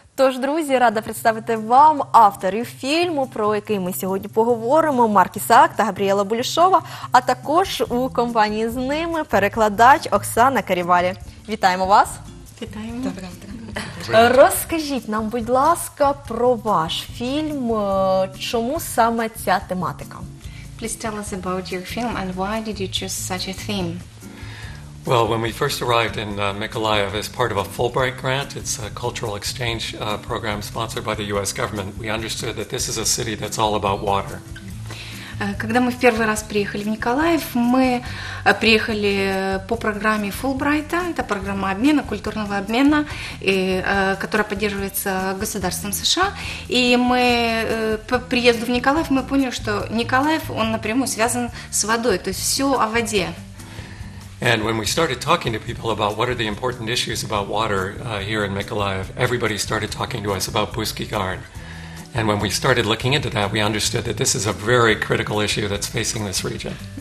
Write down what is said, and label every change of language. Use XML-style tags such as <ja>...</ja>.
<uk>ж, друзі, рада представити вам авторів фільму, про який ми сьогодні поговоримо, Маркіса Ак та Габріела Булішова, а також у компанії з ними перекладач Оксана Карівалі. Вітаємо вас! Вітаємо! Доброго дня! Розкажіть нам, будь ласка, про ваш фільм, чому саме ця тематика?</uk> <en>Please tell us about your film and why did you choose such a theme? Well, when we first arrived in Mykolaiv as part of a Fulbright grant, it's a cultural exchange program sponsored by the U.S. government, we understood that this is a city that's all about water.</en> <ru>Когда мы в первый раз приехали в Николаев, мы приехали по программе Фулбрайта, это программа обмена, культурного обмена, которая поддерживается государством США, и мы по приезду в Николаев мы поняли, что Николаев, он напрямую связан с водой, то есть все о воде.</ru> <en>And when we started talking to people about what are the important issues about water here in Mykolaiv, everybody started talking to us about Buskigard. And when we started looking into that, we understood that this is a very critical issue that's facing this region.</en>